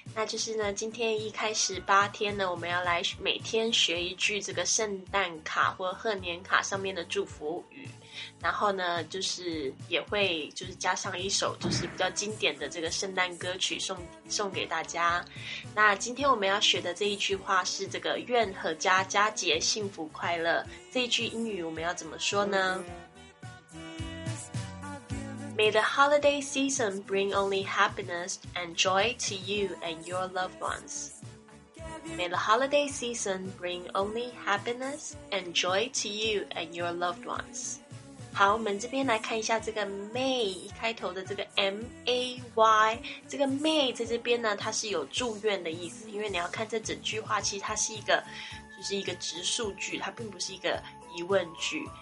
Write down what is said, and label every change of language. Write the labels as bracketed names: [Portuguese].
[Chinese] 那就是呢，今天一开始八天呢，我们要来每天学一句这个圣诞卡或贺年卡上面的祝福语，然后呢，就是也会就是加上一首就是比较经典的这个圣诞歌曲送给大家。那今天我们要学的这一句话是这个“愿阖家佳节幸福快乐”，这一句英语我们要怎么说呢？ [English] May the holiday season bring only happiness and joy to you and your loved ones. May the holiday season bring only happiness and joy to you and your loved ones. [Chinese] 好，我们这边来看一下这个 May 一开头的这个 May， 这个 May 在这边呢，它是有祝愿的意思，因为你要看这整句话，其实它是一个，就是一个直述句，它并不是一个疑问句。